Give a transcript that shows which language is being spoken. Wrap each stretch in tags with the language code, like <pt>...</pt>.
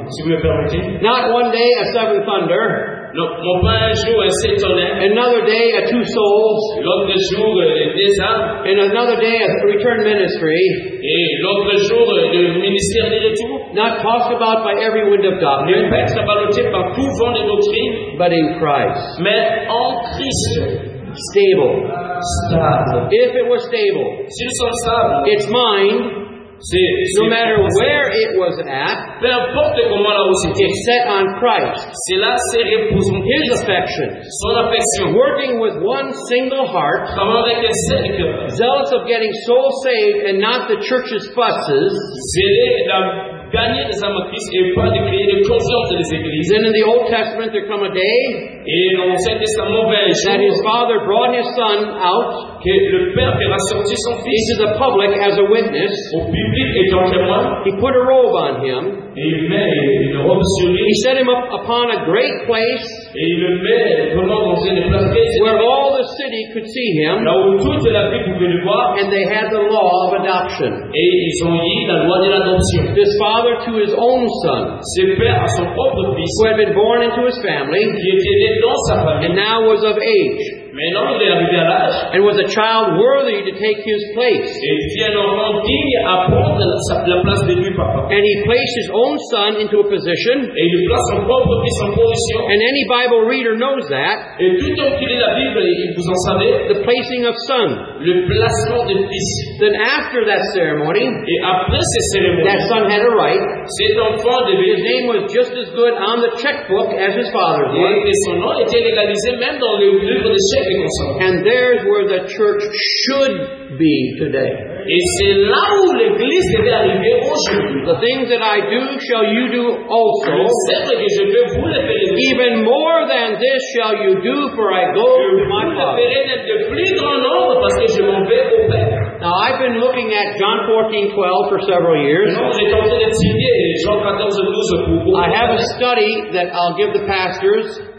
<fr>Si vous me permettez.</fr> <en>Not one day a seven thunder.</en> <fr>Non pas un jour un saint tonnerre.</fr> <en>Another day a two souls.</en> <fr>L'autre jour des âmes.</fr> <en>And another day a return ministry.</en> <fr>Et l'autre jour le ministère des retours.</fr> <en>Not tossed about by every wind of doctrine.</en> <fr>Ne pas être ballotté par tout vent de doctrine.</fr> <en>But in Christ.</en> <fr>Mais en Christ.</fr> <en>Stable.</en> <fr>Stable.</fr> <en>If it was stable.</en> <fr>Si nous sommes stables.</fr> <en>It's mine.</en> <fr>C'est</fr> <en>no matter where it was at,</en> <fr>peu importe comment là aussi,</fr> <en>it's set on Christ.</en> <fr>C'est là, c'est repos en</fr> <en>His affection.</en> <fr>Son affection.</fr> <en>Working with one single heart.</en> <fr>Avec un seul cœur.</fr> <en>Zealous of getting souls saved and not the church's fusses.</en> <fr>Zélé de gagner des âmes à Christ et pas de créer des conflits des églises.</fr> <en>Then in the Old Testament there come a day.</en> <fr>Et dans l'Ancien Testament, ben,</fr> <en>that his father brought his son out.</en> <fr>Que le père fera sortir son fils.</fr> <en>Into the public as a witness.</en> <fr>Au public et en témoin.</fr> <en>He put a robe on him.</en> <fr>Et il met une robe sur lui.</fr> <en>He set him up upon a great place.</en> <fr>Et il le met vraiment dans une place.</fr> <en>Where all the city could see him.</en> <fr>Là où toute la ville pouvait le voir.</fr> <en>And they had the law of adoption.</en> <fr>Et ils ont eu la loi de l'adoption.</fr> <en>This father to his own son.</en> <fr>Ce père à son propre fils.</fr> <en>Who had been born into his family.</en> <fr>Qui était né dans sa famille.</fr> <en>And now was of age.</en> <fr>Mais non, il est arrivé à l'âge.</fr> <en>And was a child worthy to take his place.</en> <fr>Et un enfant digne à prendre la place de lui, papa.</fr> <en>And he placed his own son into a position.</en> <fr>Et il place son propre fils en position.</fr> <en>And any Bible reader knows that.</en> <fr>Et tout homme qui lit la Bible, vous en savez.</fr> <en>The placing of son.</en> <fr>Le placement de fils.</fr> <en>Then after that ceremony.</en> <fr>Et après cette cérémonie.</fr> <en>That son had a right.</en> <fr>Cet enfant devait.</fr> <en>His name was just as good on the checkbook as his father's.</en> <fr>Et son nom était légalisé même dans le livre de chèque. été consacré.</fr> <en>And there's where the church should be today.</en> <fr>Et c'est là où l'Église était arrivée aujourd'hui.</fr> <en>The things that I do, shall you do also.</en> <fr>Certes que je vais vous les faire.</fr> <en>Even more than this shall you do, for I go to my Father.</en> <fr>Vous le ferez de plus grand nombre parce que je m'en vais au Père.</fr> <en>Now I've been looking at John 14:12 for several years. I have a study that I'll give the pastors.</en>